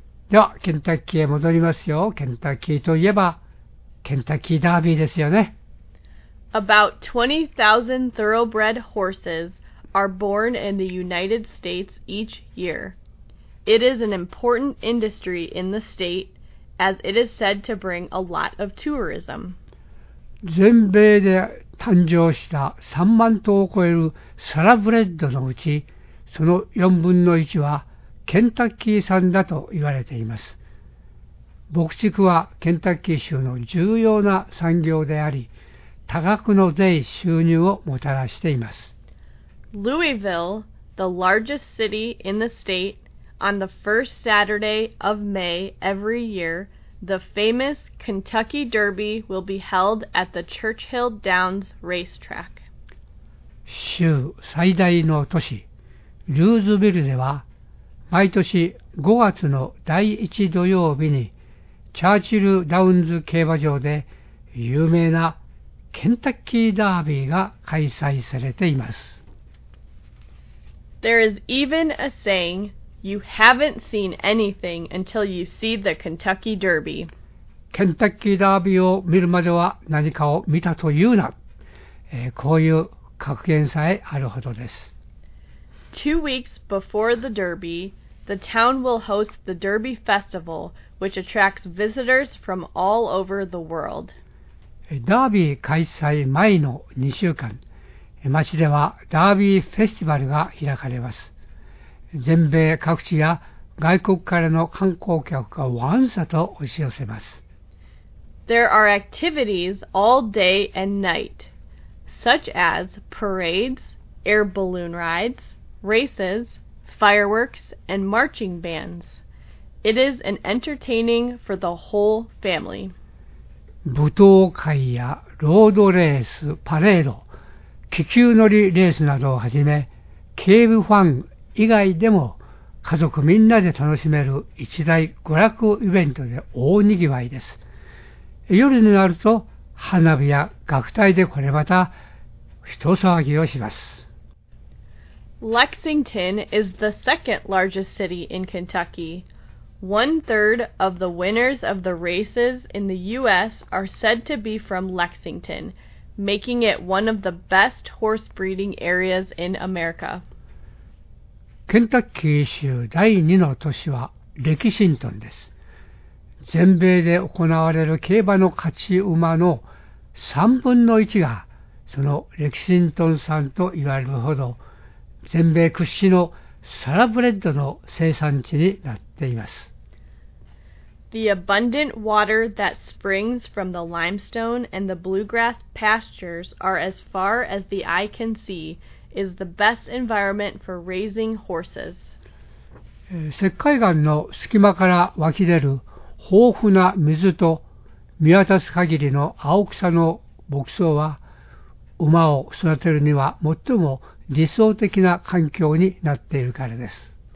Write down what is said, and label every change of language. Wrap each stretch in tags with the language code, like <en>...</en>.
<ja>では、ケンタッキーへ戻りますよ。ケンタッキーといえば、ケンタッキーダービーですよね。</ja> <en>About 20,000 thoroughbred horses are born in the United States each year. It is an important industry in the state, as it is said to bring a lot of tourism.</en> <ja>全米で誕生した3万頭を超えるサラブレッドのうち、その4分の1はケンタッキー産だと言われています。牧畜はケンタッキー州の重要な産業であり、多額の税収入をもたらしています。</ja> <en>Louisville, the largest city in the state, on the first Saturday of May every year, the famous Kentucky Derby will be held at the Churchill Downs Racetrack.</en> <ja>州最大の都市、ルーズビルでは、毎年5月の第1土曜日に、チャーチルダウンズ競馬場で有名なケンタッキーダービーが開催されています。</ja> <en>There is even a saying, you haven't seen anything until you see the Kentucky Derby.</en> <ja>ケンタッキーダービーを見るまでは何かを見たというな。こういう格言さえあるほどです。</ja> <en>2 weeks before the Derby, the town will host the Derby Festival, which attracts visitors from all over the world.</en> <ja>ダービー開催前の2週間、町ではダービーフェスティバルが開かれます。全米各地や外国からの観光客がわんさと押し寄せます。</ja> <en>There are activities all day and night, such as parades, air balloon rides, races, fireworks, and marching bands. It is an entertaining for the whole family.</en> <ja>舞踏会やロードレース、パレード、気球乗りレースなどをはじめ、警備ファン以外でも家族みんなで楽しめる一大娯楽イベントで大にぎわいです。夜になると花火や楽隊でこれまた人騒ぎをします。</ja> <en>Lexington is the second largest city in Kentucky. One third of the winners of the races in the U.S. are said to be from Lexington, making it one of the best horse breeding areas in America.</en> <ja>ケンタッキー州第2の都市はレキシントンです。全米で行われる競馬の勝ち馬の3分の1がそのレキシントン産と言われるほど、全米屈指のサラブレッドの生産地になっています。</ja> <en>The abundant water that springs from the limestone and the bluegrass pastures are as far as the eye can see is the best environment for raising horses.</en> <ja>石灰岩の隙間から湧き出る豊富な水と見渡す限りの青草の牧草は馬を育てるには最も理想的な環境になっているからです。</ja>